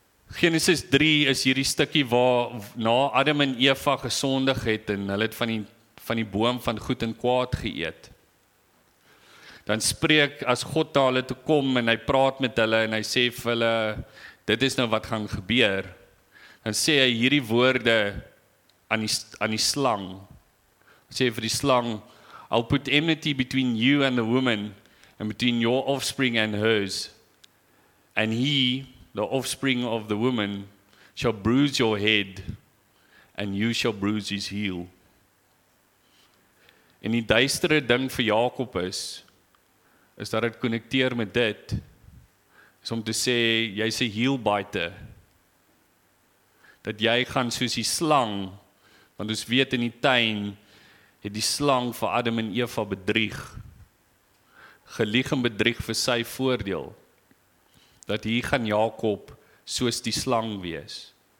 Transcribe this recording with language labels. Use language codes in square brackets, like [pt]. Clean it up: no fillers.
[af] Genesis 3 is hierdie stukkie waar na Adam en Eva gesondig het en hulle het van die boom van goed en kwaad geëet. Dan spreek as God na hulle toe kom en hy praat met hulle en hy sê vir hulle, dit is nou wat gaan gebeur. Dan sê hy hierdie woorde aan die slang. Hy sê vir die slang, [en] I'll put enmity between you and the woman and between your offspring and hers. And he, the offspring of the woman, shall bruise your head, and you shall bruise his heel. [af] En die duistere ding vir Jakob is dat het connecteer met dit, is om te sê, jy sê heel buiten, dat jy gaan soos die slang, want ons weet in die tuin, het die slang vir Adam en Eva bedrieg, gelieg en bedrieg vir sy voordeel, dat hier gaan Jakob soos die slang wees.